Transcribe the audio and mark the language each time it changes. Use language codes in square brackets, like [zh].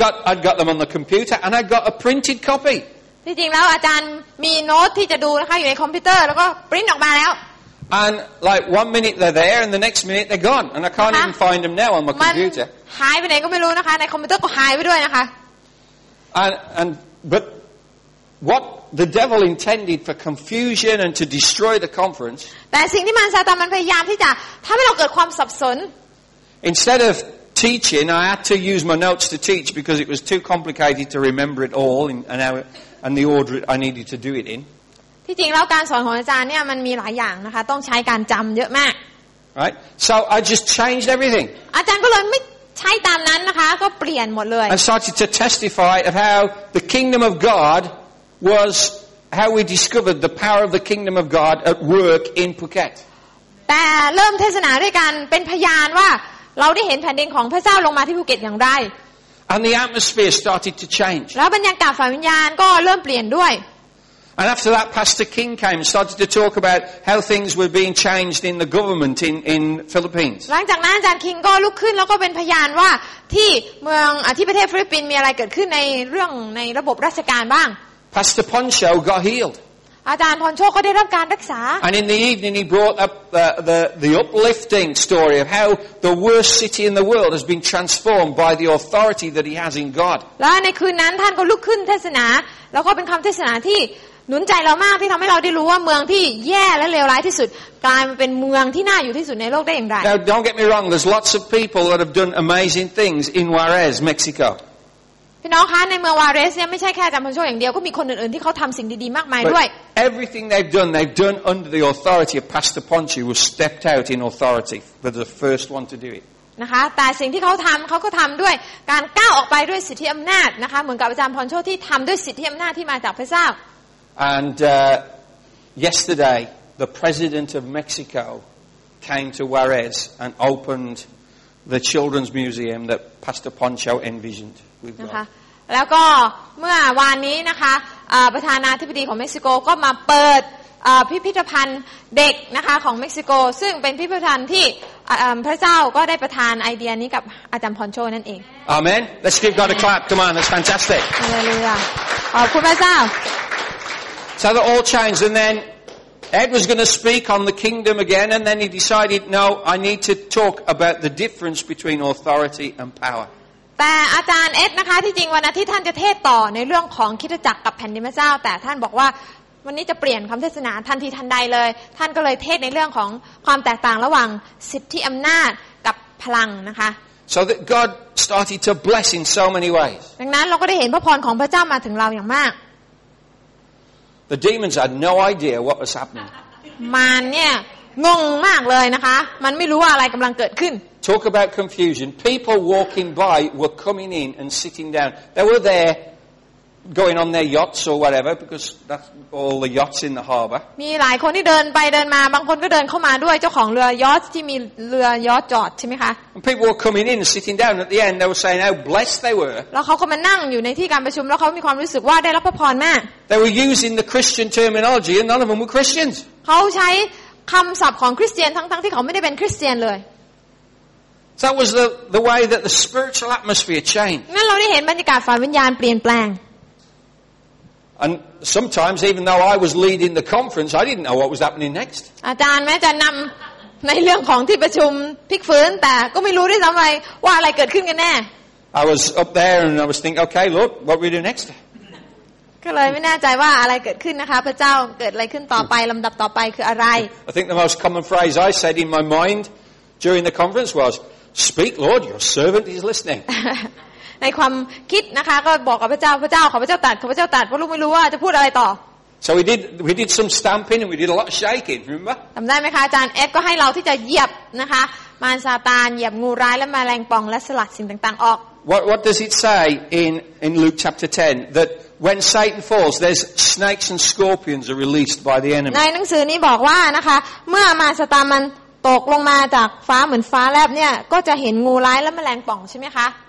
[en] I'd got them on the computer and I got a printed copy. [th] ที่จริงแล้วอาจารย์มีโน้ตที่จะดูนะคะอยู่ในคอมพิวเตอร์แล้วก็พิมพ์ออกมาแล้ว [en] And like one minute they're there, and the next minute they're gone, and I can't even find them now on my computer. [th] หายไปไหนก็ไม่รู้นะคะในคอมพิวเตอร์ก็หายไปด้วยนะคะ [en] And but what the devil intended for confusion and to destroy the conference. [th] แต่สิ่งที่มันซาตานมันพยายามที่จะทำให้เราเกิดความสับสน [en] Instead of teaching, I had to use my notes to teach because it was too complicated to remember it all and the order I needed to do it in. [th] ที่จริงแล้วการสอนของอาจารย์เนี่ยมันมีหลายอย่างนะคะต้องใช้การจำเยอะมาก [en] Right so I just changed everything [th] อาจารย์ก็เลยไม่ใช้ตามนั้นนะคะก็เปลี่ยนหมดเลย [en] And started to testify of how the kingdom of God was how we discovered the power of the kingdom of God at work in Phuket [th] แต่เริ่มเทศนาด้วยกันเป็นพยานว่าเราได้เห็นแผ่นดินของพระเจ้าลงมาที่ภูเก็ตอย่างไร [en] And the atmosphere started to change [th] แล้วบรรยากาศฝ่ายวิญญาณก็เริ่มเปลี่ยนด้วย [en] And after that, Pastor King came and started to talk about how things were being changed in the government in Philippines. [th] หลังจากนั้นอาจารย์คิงก็ลุกขึ้นแล้วก็เป็นพยานว่าที่เมืองที่ประเทศฟิลิปปินส์มีอะไรเกิดขึ้นในเรื่องในระบบราชการบ้าง [en] Pastor Poncho got healed. [th] อาจารย์พอนโชก็ได้รับการรักษา [en] And in the evening, he brought up the uplifting story of how the worst city in the world has been transformed by the authority that he has in God. [th] และในคืนนั้นท่านก็ลุกขึ้นเทศนาแล้วก็เป็นคำเทศนาที่หนุนใจเรามากที่ทำให้เราได้รู้ว่าเมืองที่แย่และเลวร้ายที่สุดกลายมาเป็นเมืองที่น่าอยู่ที่สุดในโลกได้อย่างไร [en] Now don't get me wrong there's lots of people that have done amazing things in Juarez Mexico [th] พี่น้องคะในเมืองวาเรสเนี่ยไม่ใช่แค่อาจารย์พันโชคอย่างเดียวก็มีคนอื่นๆที่เขาทำสิ่งดีๆมากมายด้วย [en] Everything they've done under the authority of Pastor Ponchi was stepped out in authority they're the first one to do it [th] นะคะแต่สิ่งที่เขาทำเขาก็ทำด้วยการก้าวออกไปด้วยสิทธิอำนาจนะคะเหมือนกับอาจารย์พันโชคที่ทำด้วยสิทธิอำนาจที่มาจากพระเจ้า [en] And yesterday, the president of Mexico came to Juarez and opened the children's museum that Pastor Poncho envisioned. We've got. And then, [th] เมื่อวานนี้นะคะประธานาธิบดีของเม็กซิโกก็มาเปิดพิพิธภัณฑ์เด็กนะคะของเม็กซิโกซึ่งเป็นพิพิธภัณฑ์ที่พระเจ้าก็ได้ประทานไอเดียนี้กับอาจารย์พอนโชนั่นเอง [en] Amen. Let's give God a clap. Come on, that's fantastic. [th] Hallelujah. ขอบคุณพระเจ้า [en] So that all changed, and then Ed was going to speak on the kingdom again, and then he decided, no, I need to talk about the difference between authority and power. [th] แต่อาจารย์เอ็ดนะคะที่จริงวันอาทิตย์ท่านจะเทศต่อในเรื่องของคริสตจักรกับแผ่นดินพระเจ้าแต่ท่านบอกว่าวันนี้จะเปลี่ยนคำเทศนาทันทีทันใดเลยท่านก็เลยเทศในเรื่องของความแตกต่างระหว่างสิทธิอำนาจกับพลังนะคะ [en] So that God started to bless in so many ways. [th] ดังนั้นเราก็ได้เห็นพระพรของพระเจ้ามาถึงเราอย่างมาก [en] The demons had no idea what was happening. [th] มันเนี่ย งงมากเลยนะคะมันไม่รู้ว่าอะไรกำลังเกิดขึ้น [en] Talk about confusion. People walking by were coming in and sitting down. They were there going on their yachts or whatever because that's all the yachts in the harbor. [th] มีหลายคนที่เดินไปเดินมาบางคนก็เดินเข้ามาด้วยเจ้าของเรือยอทที่มีเรือยอทจอดใช่ไหมคะ [en] And people were coming in and sitting down. At the end, they were saying how blessed they were. [th] แล้วเขาก็มานั่งอยู่ในที่การประชุมแล้วเขามีความรู้สึกว่าได้รับพระพรมาก [en] They were using the Christian terminology, and none of them were Christians. [th] เขาใช้คำศัพท์ของคริสเตียนทั้งๆที่เขาไม่ได้เป็นคริสเตียนเลย [en] So that was the way that the spiritual atmosphere changed. [th] งั้นเราได้เห็นบรรยากาศฝ่ายวิญญาณเปลี่ยนแปลง [en] And sometimes even though I was leading the conference I didn't know what was happening next. [th] อาจารย์แม้จะนำในเรื่องของที่ประชุมพลิกฟื้นแต่ก็ไม่รู้ด้วยซ้ำไปว่าอะไรเกิดขึ้นกันแน่ [en] I was up there and I was thinking okay look what we do next. [th] ก็เลยไม่แน่ใจว่าอะไรเกิดขึ้นนะคะพระเจ้าเกิดอะไรขึ้นต่อไปลำดับต่อไปคืออะไร [en] I think the most common phrase I said in my mind during the conference was speak Lord your servant is listening [th] ในความคิดนะคะก็บอกกับพระเจ้าพระเจ้าขอพระเจ้าตัดขอพระเจ้าตัดเพราะลูกไม่รู้ว่าจะพูดอะไรต่อ [en] So we did some stamping and we did a lot of shaking remember [th] จำได้ไหมคะอาจารย์เอฟก็ให้เราที่จะเหยียบนะคะมารซาตานเหยียบงูร้ายและแมลงป่องและสลัดสิ่งต่างๆออก [en] What does it say in Luke chapter 10 thatWhen Satan falls, there's snakes and scorpions are released by the enemy. [th] ในหนังสือนี้บอกว่านะคะเมื่อมารซาตานมันตกลงมาจากฟ้าเหมือนฟ้าแลบเนี่ยก็จะเห็นงูร้ายและแมลงป่องใช่ไหมคะ